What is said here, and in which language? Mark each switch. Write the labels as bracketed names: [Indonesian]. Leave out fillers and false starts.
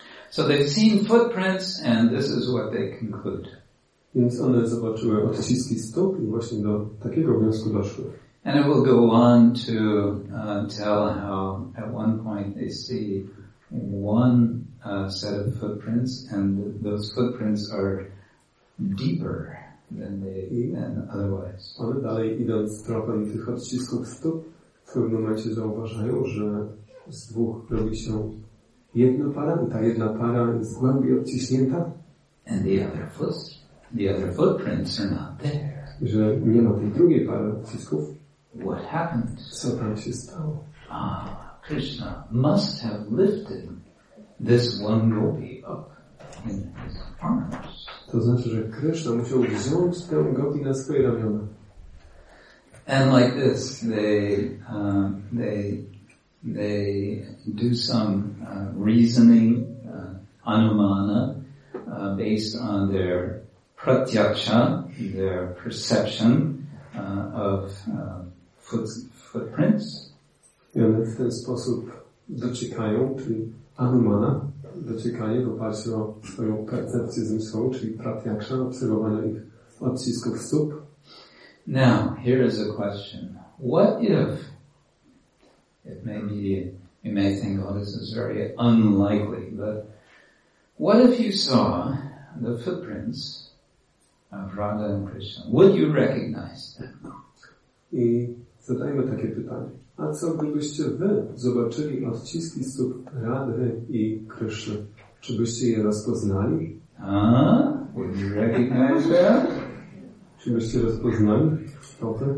[English] So they've seen footprints and this is what they conclude. [Polish] Więc one zobaczyły odciski stóp i właśnie do takiego wniosku doszły. [English] And it will go on to tell how at one point they see one set of footprints and those footprints are deeper than otherwise. [Polish] One dalej idąc tropem tych odcisków stóp, w pewnym momencie zauważają, że z dwóch robi się jedna para i ta jedna para jest głębiej odciśnięta. [English] And the other footprints are not there. [Polish] Że nie ma tej drugiej pary odcisków. [English] What happened? [Polish] Co tam się stało? [English] Krishna must have lifted this one gopi up in his arms. [Polish] To znaczy, że Krishna musiał wziąć tę gopi na swoje ramiona. [English] And like this, they do some reasoning, anumana, based on their pratyaksha, their perception of footprints. [Polish] I one w ten sposób dociekają, czyli anumana dociekają w oparciu o swoją percepcję zmysłową, czyli pratyaksha, obserwowania ich odcisków stóp. [English] Now, here is a question. What if it may be, you may think, oh, this is very unlikely, but what if you saw the footprints of Radha and Krishna, would you recognize them? [Polish] I zadajmy takie pytanie. A co gdybyście wy zobaczyli odciski stóp Rady i Krishna? Czy byście je rozpoznali? [English] Would you recognize them? [Polish] Czy byście rozpoznali stopy?